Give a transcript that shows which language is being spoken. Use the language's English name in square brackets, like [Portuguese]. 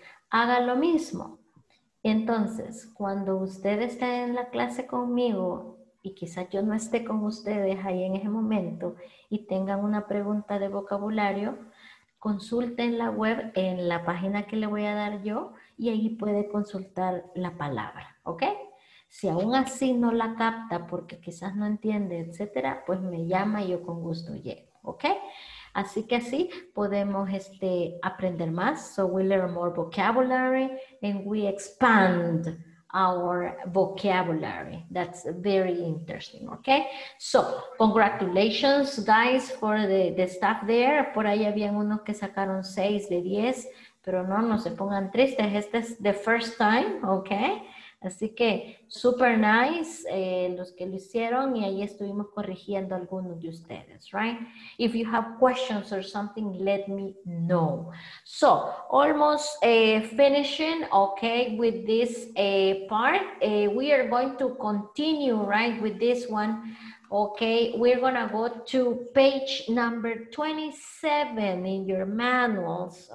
[Spanish] Haga lo mismo. Entonces, cuando usted esté en la clase conmigo y quizás yo no esté con ustedes ahí en ese momento y tengan una pregunta de vocabulario, consulten la web en la página que le voy a dar yo y ahí puede consultar la palabra, ¿ok? Si aún así no la capta porque quizás no entiende, etcétera, pues me llama y yo con gusto llego, ¿ok? Así que así podemos aprender más. [English] So we learn more vocabulary and we expand our vocabulary. That's very interesting, okay? So, congratulations, guys, for the staff there. [Spanish] Por ahí habían unos que sacaron 6 de 10, pero no se pongan tristes. Este es [English] the first time, [Spanish] okay? Así que, [English] super nice, [Spanish] los que lo hicieron, y ahí estuvimos corrigiendo algunos de ustedes, right? [English] If you have questions or something, let me know. So, almost finishing, okay, with this part. We are going to continue, right, with this one. Okay, we're gonna go to page number 27 in your manuals.